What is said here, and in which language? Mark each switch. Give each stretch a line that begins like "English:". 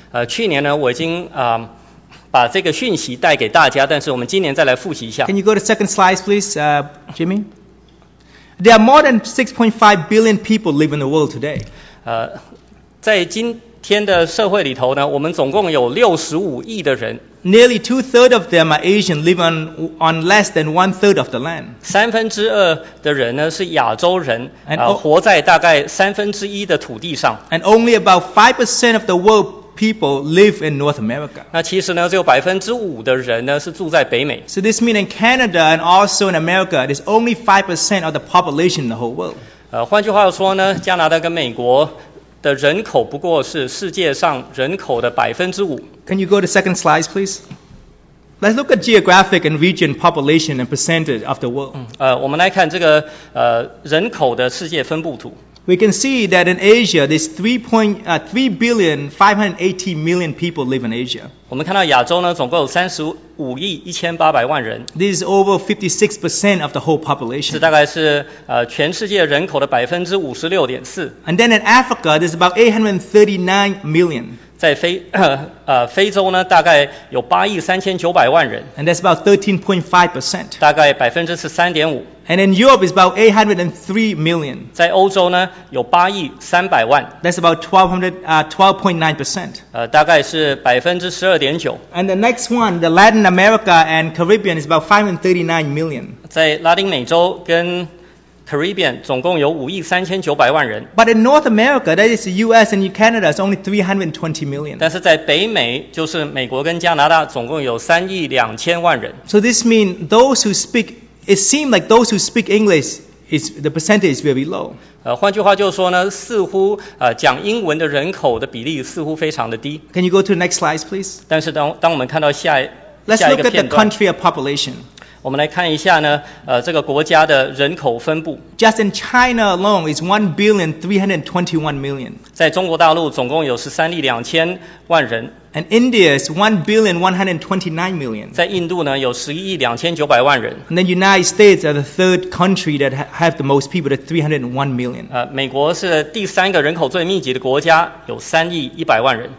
Chinese: 去年呢，我已经把这个讯息带给大家，但是我们今年再来复习一下。
English: Can you go to second slide, please, Jimmy? There are more than 6.5 billion people living in the world today.
Chinese: 在今天的社会里头呢，我们总共有65亿的人。
English: Nearly two-thirds of them are Asian, living on less than one-third of the land.
Chinese: 三分之二的人呢是亚洲人，活在大概三分之一的土地上。
English: And only about 5% of the world people live in North America.
Chinese: 那其实呢，只有5%的人呢是住在北美。
English: So this means in Canada and also in America, there's only 5% of the population in the whole world.
Chinese: 换句话说呢，加拿大跟美国的人口不过是世界上人口的5%。
English: Can you go to second slide, please? Let's look at geographic and region population and percentage of the world.
Chinese: 我们来看这个人口的世界分布图。
English: We can see that in Asia, there's 3.3 billion 580 million people live in Asia.
Chinese: 我们看到亚洲呢，总共有35亿1800万人。
English: This is over 56% of the whole population.
Chinese: 这大概是全世界人口的56.4%。
English: And then in Africa, there's about 839 million.
Chinese: 在非洲呢，大概有83900万人。
English: And that's about 13.5%.
Chinese: 大概13.5%。
English: And in Europe, it's about 803 million.
Chinese: 在欧洲呢，有8亿300万。
English: That's about 12.9%.
Chinese: 大概是12.9%。
English: And the next one, the Latin America and Caribbean is about 539 million.
Chinese: 在拉丁美洲跟 Caribbean 总共有53900万人。
English: But in North America, that is the U.S. and Canada, it's only 320 million.
Chinese: 但是在北美，就是美国跟加拿大，总共有3亿2000万人。
English: So this means those who speak It seems like those who speak English, is the percentage is very low.
Chinese: 换句话就是说呢，似乎讲英文的人口的比例似乎非常的低。
English: Can you go to the next slide, please?
Chinese: 但是当我们看到下一个片段。
English: Let's look at the country of population.
Chinese: 我们来看一下呢，这个国家的人口分布。
English: Just in China alone is 1,321,000,000.
Chinese: 在中国大陆总共有132,000,000人。
English: And India is 1,129,000,000.
Chinese: 在印度呢，有112,900万人。
English: And then United States are the third country that have the most people, at 301,000,000.
Chinese: 美国是第三个人口最密集的国家，有3,100,000,000人。